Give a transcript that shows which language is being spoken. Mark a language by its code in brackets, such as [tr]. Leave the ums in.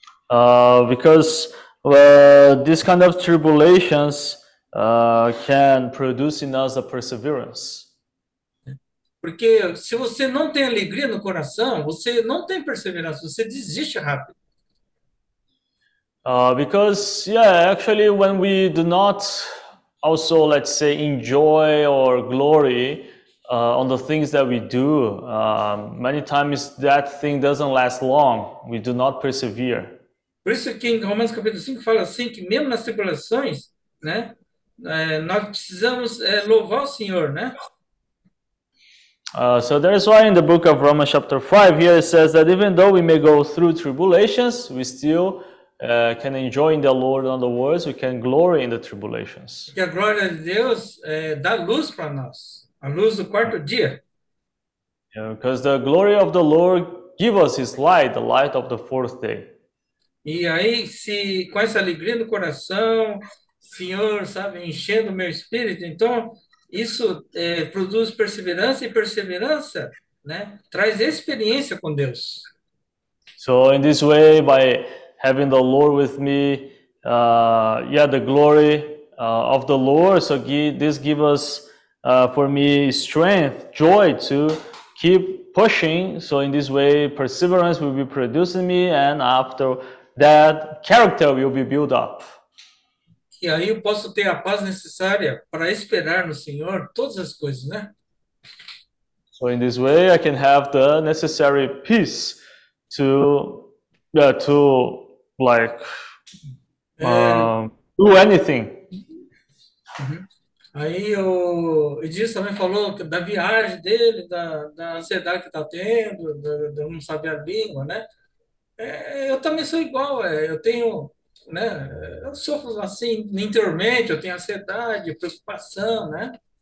[en] Uh, because well, uh, this kind of tribulations uh, can produce in us a perseverance. [pt] Porque se você não tem alegria no coração, você não tem perseverança, você desiste rápido. [en] Uh, because, yeah, actually, when we do not also, let's say, enjoy or glory uh, on the things that we do, uh, many times that thing doesn't last long. We do not persevere. [pt] Por isso que em Romanos capítulo 5 fala assim, que mesmo nas tribulações, né, nós precisamos é, louvar o Senhor, né? [en] Uh, so that is why in the book of Romans chapter 5 here it says that even though we may go through tribulations, we still uh, can enjoy in the Lord on the words, we can glory in the tribulations. [pt] Que a glória de Deus eh, dá luz para nós, a luz do quarto yeah. dia. [en] Yeah, because the glory of the Lord give us his light, the light of the fourth day. [pt] E aí, se com essa alegria no coração, Senhor, sabe, enchendo meu espírito, então [en] so in this way by having the Lord with me uh, yeah the glory uh, of the Lord so this gives us uh, for me strength joy to keep pushing so in this way perseverance will be producing me and after that character will be built up [pt] que aí eu posso ter a paz necessária para esperar no Senhor todas as coisas, né? [en] So in this way I can have the necessary peace to yeah, uh, to like um, é... do anything. Uhum. [pt] Aí o Edis também falou da viagem dele, da, da ansiedade que está tendo, de não saber a língua, né? É, eu também sou igual, é, eu tenho né? Eu sofro assim, no intermédio, eu tenho ansiedade, preocupação, né?